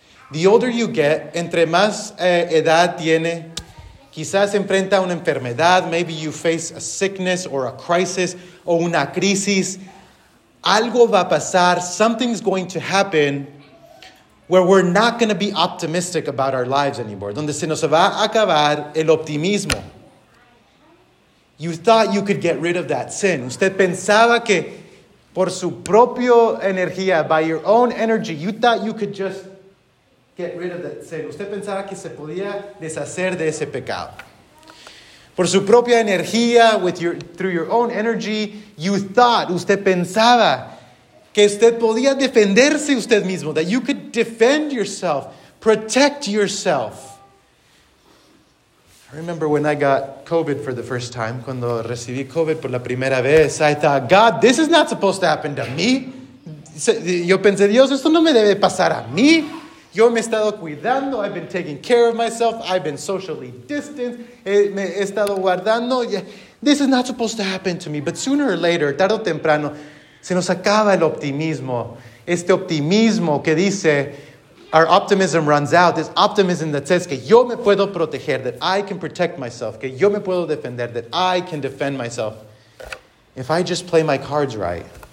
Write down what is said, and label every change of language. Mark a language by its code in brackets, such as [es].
[en] The older you get, [es] entre más edad tiene, quizás enfrenta una enfermedad, [en] maybe you face a sickness or a crisis [es] o una crisis. Algo va a pasar, [en] something's going to happen where we're not going to be optimistic about our lives anymore. [es] Donde se nos va a acabar el optimismo. [en] You thought you could get rid of that sin. [es] Usted pensaba que por su propia energía, [en] by your own energy, you thought you could just get rid of that sin. [es] Usted pensaba que se podía deshacer de ese pecado. Por su propia energía, [en] through your own energy, you thought, [es] usted pensaba, que usted podía defenderse usted mismo, [en] that you could defend yourself, protect yourself. I remember when I got COVID for the first time, [es] cuando recibí COVID por la primera vez, [en] I thought, God, this is not supposed to happen to me. [es] Yo pensé, Dios, esto no me debe pasar a mí. Yo me he estado cuidando, [en] I've been taking care of myself, I've been socially distanced, [es] me he estado guardando. [en] This is not supposed to happen to me, but sooner or later, [es] tarde o temprano, se nos acaba el optimismo. Este optimismo que dice, [en] our optimism runs out, this optimism that says [es] que yo me puedo proteger, [en] that I can protect myself, [es] que yo me puedo defender, [en] that I can defend myself, if I just play my cards right.